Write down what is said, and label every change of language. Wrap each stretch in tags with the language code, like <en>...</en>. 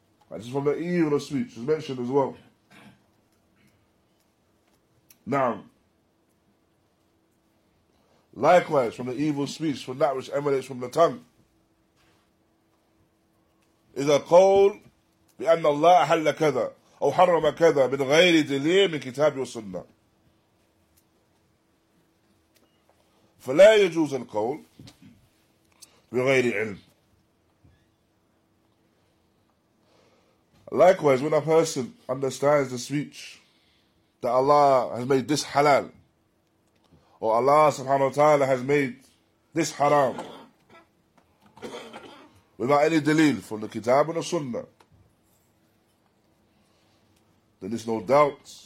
<en>And this is from the eve of speech, it's mentioned as well. Now, likewise, from the evil speech, from that which emanates from the tongue, is a call.</en> <ar>بأن الله أحل كذا أو حرم كذا من غير دليل من كتاب وسنة فلا يجوز القول بغير علم.</ar> <en>Likewise, when a person understands the speech that Allah has made this halal or Allah subhanahu wa ta'ala has made this haram without any دليل from the kitab and the sunnah, then there's no doubt.</en>